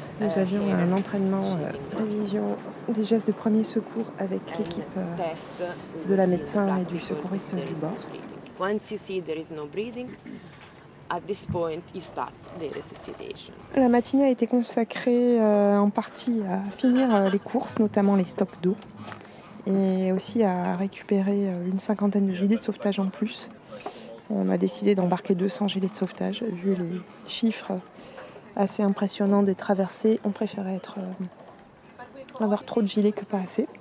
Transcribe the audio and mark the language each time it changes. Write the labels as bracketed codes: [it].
[fr] Nous avions un entraînement, révision des gestes de premier secours avec l'équipe de la médecin et du secouriste du bord. [en] Once you see there is no breathing, at this point you start the resuscitation. [fr] La matinée a été consacrée en partie à finir les courses, notamment les stops d'eau, et aussi à récupérer une cinquantaine de gilets de sauvetage en plus. On a décidé d'embarquer 200 gilets de sauvetage. Vu les chiffres assez impressionnants des traversées, on préférait avoir trop de gilets que pas assez.